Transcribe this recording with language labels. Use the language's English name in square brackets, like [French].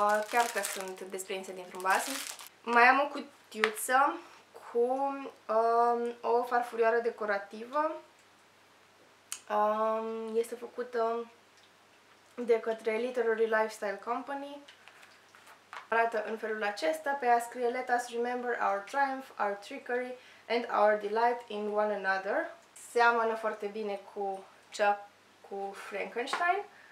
[Romanian] Chiar că sunt desprinse dintr-un basm. Mai am o cutiuță cu o farfurioară decorativă. Este făcută de către Literary Lifestyle Company. Arată în felul acesta. Pe ea scrie, [English] let us remember our triumph, our trickery and our delight in one another. [Romanian] Seamănă foarte bine cu cea cu Frankenstein.